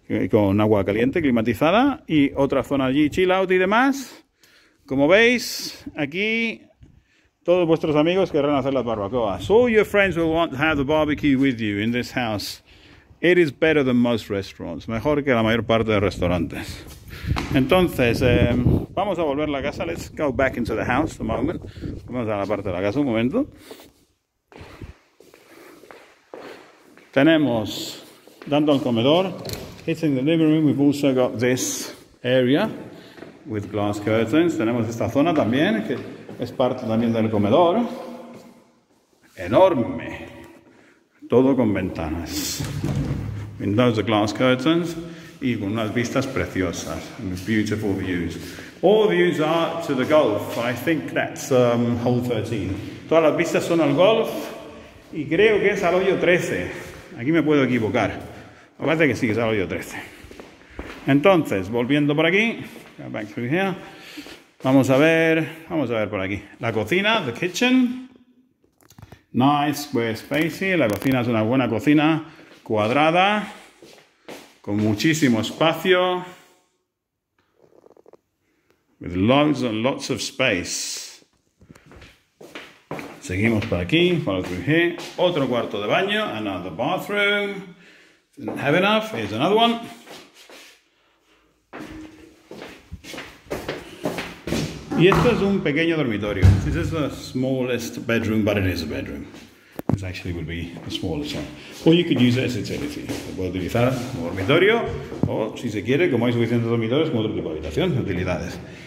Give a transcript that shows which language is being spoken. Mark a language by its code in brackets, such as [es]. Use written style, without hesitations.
[es] con agua caliente, climatizada, y otra zona allí, chill out y demás. Como veis, aquí todos vuestros amigos querrán hacer la barbacoa. [en] So your friends will want to have the barbecue with you in this house. It is better than most restaurants. [es] Mejor que la mayor parte de restaurantes. Entonces, vamos a volver a la casa. [en] Let's go back into the house a moment. [es] Vamos a la parte de la casa un momento. Tenemos, dando al comedor, [en] it's in the living room. We've also got this area with glass curtains. [es] Tenemos esta zona también, que es parte también del comedor. Enorme. Todo con ventanas. [en] Windows, the glass curtains, [es] y con unas vistas preciosas, [en] beautiful views. All views are to the Gulf, I think that's hole 13. [es] Todas las vistas son al Gulf, y creo que es al hoyo 13. Aquí me puedo equivocar. Me parece que sí, es al hoyo 13. Entonces, volviendo por aquí, [en] back through here. [es] Vamos a ver por aquí. La cocina, [en] the kitchen. Nice, square, spacey. [es] La cocina es una buena cocina. Cuadrada, con muchísimo espacio, [en] with lots and lots of space. [es] Seguimos por aquí, [en] follow through here. [es] Otro cuarto de baño, [en] another bathroom. Didn't have enough, here's another one. [es] Y esto es un pequeño dormitorio. [en] This is the smallest bedroom, but it is a bedroom. This actually would be the smallest one. Or you could use it as a utility. [es] Lo puedo utilizar como dormitorio, o si se quiere, como hay suficientes dormitorios, como otro tipo de habitación, utilidades.